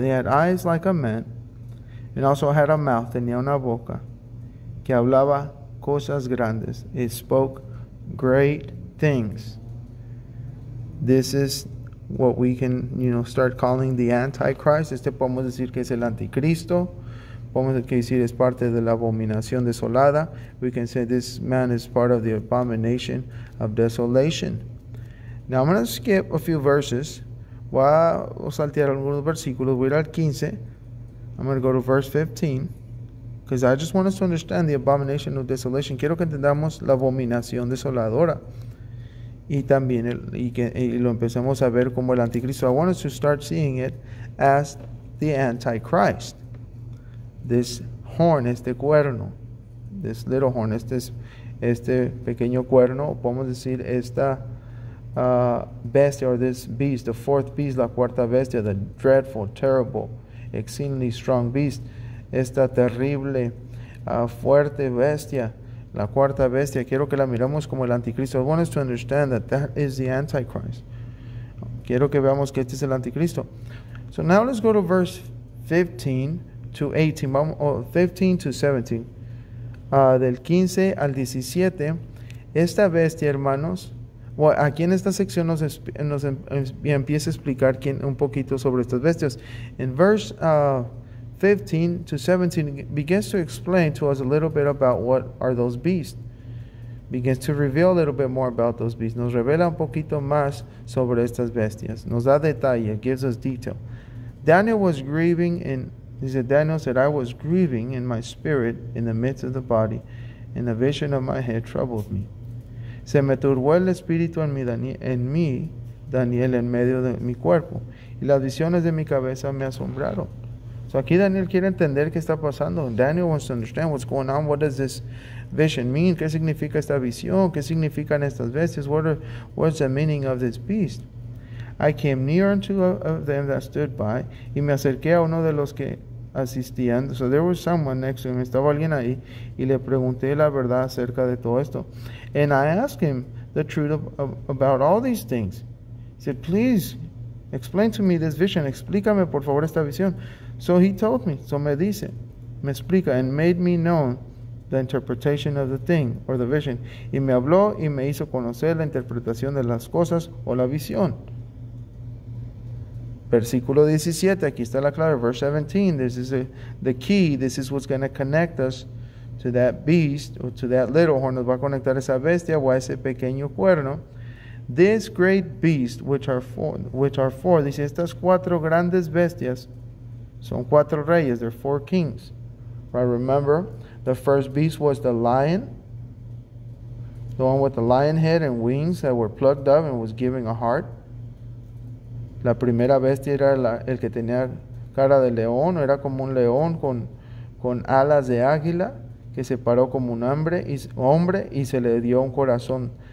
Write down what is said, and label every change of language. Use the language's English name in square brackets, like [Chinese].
[English] They had eyes like a man, and also had a mouth, [Spanish] tenía una boca, que hablaba cosas grandes. [English] It spoke great things. This is what we can, you know, start calling the Antichrist. [Spanish] Este podemos decir que es el anticristo. Podemos decir es parte de la abominación desolada. [English] We can say this man is part of the abomination of desolation. Now I'm going to skip a few verses. [Spanish] Voy a saltear algunos versículos. Voy a ir al 15. [English] I'm going to go to verse 15. Because I just want us to understand the abomination of desolation. [Spanish] Quiero que entendamos la abominación desoladora. Y también lo empecemos a ver como el anticristo. [English] I want us to start seeing it as the Antichrist. This horn, [Spanish] este cuerno. [English] This little horn, [Spanish] este pequeño cuerno. Podemos decir esta bestia, [English] or this beast, the fourth beast, [Spanish] la cuarta bestia, [English] the dreadful, terrible, exceedingly strong beast. [Spanish] Esta terrible, fuerte bestia. La cuarta bestia, quiero que la miremos como el anticristo. [English] I want us to understand that that is the Antichrist. [Spanish] Quiero que veamos que este es el anticristo. [English] So now let's go to verse 15 to 17. [Spanish] Del 15 al 17, esta bestia, hermanos, well, aquí en esta sección empieza a explicar un poquito sobre estas bestias. [English] In verse 15 to 17 begins to explain to us a little bit about what are those beasts. Begins to reveal a little bit more about those beasts. [Spanish] Nos revela un poquito más sobre estas bestias. Nos da detalle. [English] Gives us detail. Daniel was grieving in, he said, Daniel said, I was grieving in my spirit in the midst of the body, and the vision of my head troubled me. [Spanish] Se me turbó el espíritu en mí, Daniel, en medio de mi cuerpo, y las visiones de mi cabeza me asombraron. So aquí Daniel quiere entender qué está pasando. [English] Daniel wants to understand what's going on. What does this vision mean? [Spanish] ¿Qué significa esta visión? ¿Qué significan estas bestias? [English] What's the meaning of this beast? I came near unto them that stood by, [Spanish] y me acerqué a uno de los que asistían. [English] So there was someone next to him. [Spanish] Estaba alguien ahí, y le pregunté la verdad acerca de todo esto. [English] And I asked him the truth about all these things. He said, please explain to me this vision. [Spanish] Explícame, por favor, esta visión. [English] So he told me, so [Spanish] me dice, me explica, [English] and made me known the interpretation of the thing, or the vision. [Spanish] Y me habló y me hizo conocer la interpretación de las cosas o la visión. Versículo 17, aquí está la clave, [English] verse 17, this is the key, this is what's going to connect us to that beast, or to that little horn, [Spanish] nos va a conectar esa bestia o a ese pequeño cuerno. [English] This great beast, which are four, [Spanish] dice, estas cuatro grandes bestias, son cuatro reyes, [English] they're four kings. Right, remember, the first beast was the lion, the one with the lion head and wings that were plucked up and was giving a heart. [Spanish] La primera bestia era el que tenía cara de león, era como un león con alas de águila, que se paró como un hombre y se le dio un corazón.